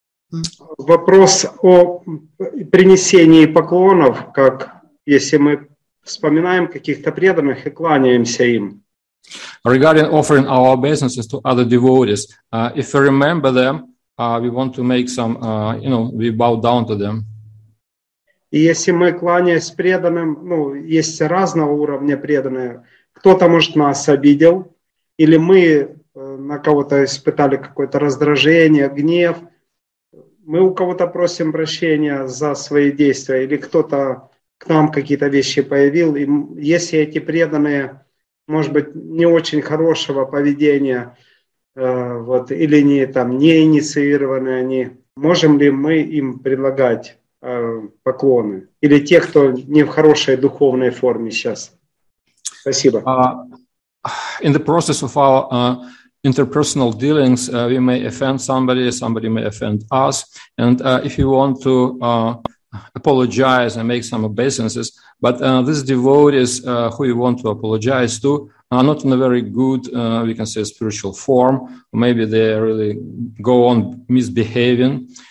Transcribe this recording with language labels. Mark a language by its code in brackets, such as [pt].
[ru] Вопрос о принесении поклонов, как если мы вспоминаем каких-то преданных и кланяемся им. [en] Regarding offering our obeisances to other devotees, if we remember them, we want to make some, you know, we bow down to them. [ru] И если мы кланяемся преданным, ну, есть разного уровня преданные, кто-то, может, нас обидел, или мы на кого-то испытали какое-то раздражение, гнев, мы у кого-то просим прощения за свои действия, или кто-то к нам какие-то вещи появил, и если эти преданные, может быть, не очень хорошего поведения, вот, или не, там, не инициированы они, можем ли мы им предлагать поклоны, или те, кто не в хорошей духовной форме сейчас. Спасибо. [en] In the process of our interpersonal dealings, we may offend somebody, somebody may offend us, and if you want to apologize and make some obeisances, but these devotees who you want to apologize to are not in a very good, we can say, spiritual form, maybe they really go on misbehaving.